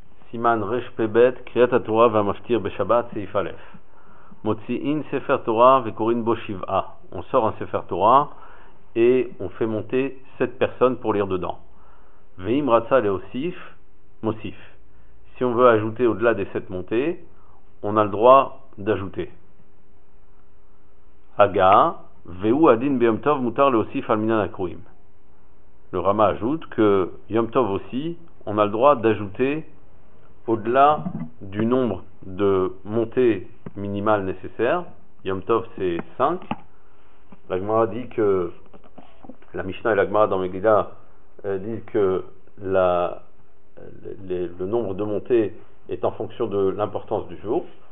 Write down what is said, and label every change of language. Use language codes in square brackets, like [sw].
[he] סימן רפב, קריאת התורה והמפטיר בשבת, סעיף א'. מוציאים ספר תורה וקוראים בו שבעה. [fr] On sort un ספר תורה et on fait monter sept personnes pour lire dedans. [he] ואם רצה להוסיף, מוסיף. [fr] Si on veut ajouter au-delà des sept montées, on a le droit d'ajouter. [he] Aga, והוא הדין ביום טוב מותר להוסיף על מניין הקרואים. [fr] Le Rama ajoute que Yom Tov aussi, on a le droit d'ajouter au-delà du nombre de montées minimales nécessaires. Yom Tov c'est 5. La Gemara dit que la Mishnah et la Gemara dans Megillah disent que le nombre de montées est en fonction de l'importance du jour.